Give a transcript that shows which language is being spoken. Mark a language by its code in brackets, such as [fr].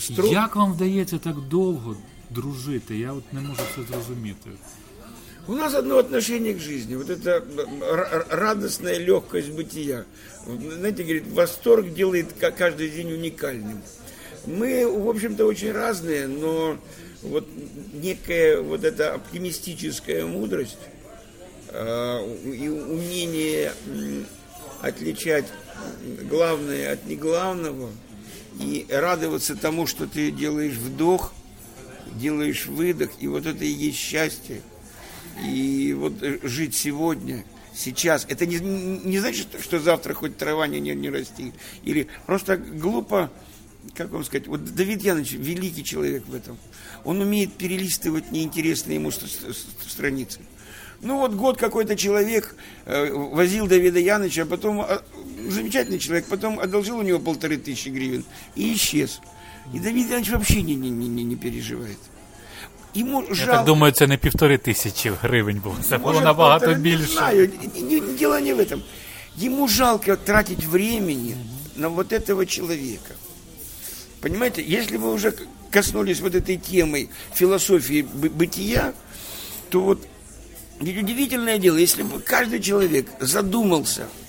[uk] Як вам вдається так довго дружити? Я от не можу це зрозуміти. [ru] У нас одно отношение к жизни. Вот это радостная легкость бытия. Знаете, говорит, восторг делает каждый день уникальным. Мы, в общем-то, очень разные, но вот некая вот эта оптимистическая мудрость и умение отличать главное от неглавного и радоваться тому, что ты делаешь вдох, делаешь выдох, и вот это и есть счастье. И вот жить сегодня, сейчас, это не значит, что завтра хоть трава не расти. Или просто глупо, как вам сказать, вот Давид Янович великий человек в этом. Он умеет перелистывать неинтересные ему страницы. Ну вот год какой-то человек возил Давида Яновича, а потом, замечательный человек, потом одолжил у него 1500 гривен и исчез. И Давид Янович вообще не переживает. Ему жалко. [uk] Я так думаю, це не 1500 гривень було, це було набагато більше. [ru] Не знаю, дело не в этом. Ему жалко тратить времени на вот этого человека. Понимаете, если вы уже коснулись вот этой темы философии бытия, то вот удивительное дело, если бы каждый человек задумался,